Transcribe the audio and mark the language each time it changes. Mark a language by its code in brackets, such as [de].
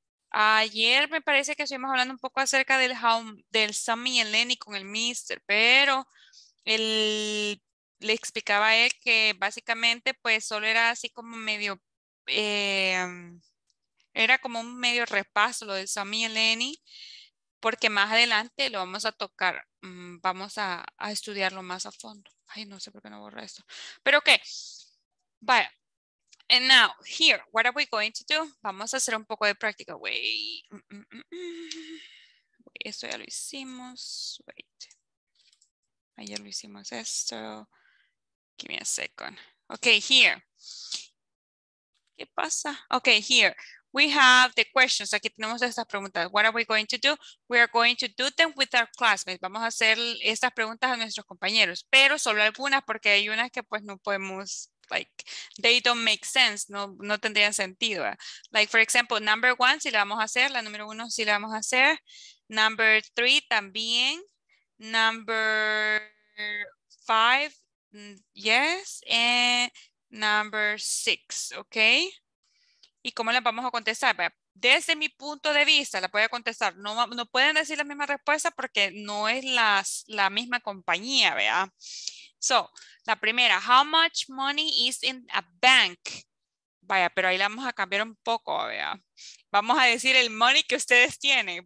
[es] Ayer me parece que estuvimos hablando un poco acerca del Sammy y el Lenny con el mister, pero él le explicaba a él que básicamente pues solo era así como medio, era como un medio repaso lo del Sammy y el Lenny, porque más adelante lo vamos a tocar, vamos a estudiarlo más a fondo. Ay, no sé por qué no borra esto. Pero ok, vaya. [en] And now, here, what are we going to do? [es] Vamos a hacer un poco de práctica. Wait. Esto ya lo hicimos. Wait. Ayer lo hicimos esto. [en] Give me a second. Okay, here. [es] ¿Qué pasa? Okay, here. [en] We have the questions. [es] Aquí tenemos estas preguntas. [en] What are we going to do? We are going to do them with our classmates. [es] Vamos a hacer estas preguntas a nuestros compañeros. Pero solo algunas, porque hay unas que pues no podemos... [en] Like, they don't make sense, [es] no tendrían sentido. [en] Like, for example, number one, [es] si la vamos a hacer. La número uno, si la vamos a hacer. [en] Number three, también. Number five, yes. And number six, [es] ok. ¿Y cómo la vamos a contestar? Desde mi punto de vista, la voy a contestar. No pueden decir la misma respuesta porque no es la misma compañía, ¿verdad? [en] So, [es] la primera, [en] how much money is in a bank? [es] Vaya, pero ahí la vamos a cambiar un poco, vea. Vamos a decir el money que ustedes tienen.